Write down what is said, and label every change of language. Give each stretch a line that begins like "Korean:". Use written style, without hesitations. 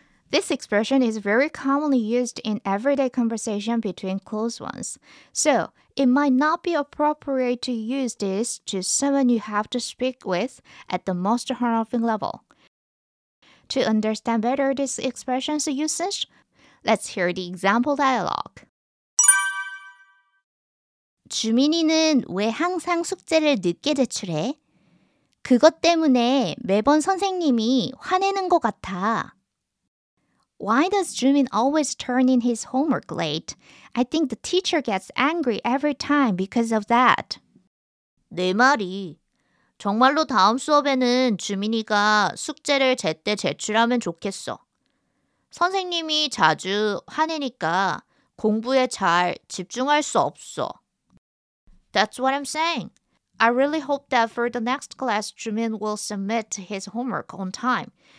English: This expression is very commonly used in everyday conversation between close ones. So, it might not be appropriate to use this to someone you have to speak with at the most honorific level. To understand better this expression's usage, let's hear the example dialogue.
Korean: 주민이는 왜 항상 숙제를 늦게 제출해? 그것 때문에 매번 선생님이 화내는 것 같아.
English: Why does Jumin always turn in his homework late? I think the teacher gets angry every time because of that.
Korean: 내 말이. 정말로 다음 수업에는 주민이가 숙제를 제때 제출하면 좋겠어. 선생님이 자주 화내니까 공부에 잘 집중할 수 없어.
English: That's what I'm saying. I really hope that for the next class, Jumin will submit his homework on time.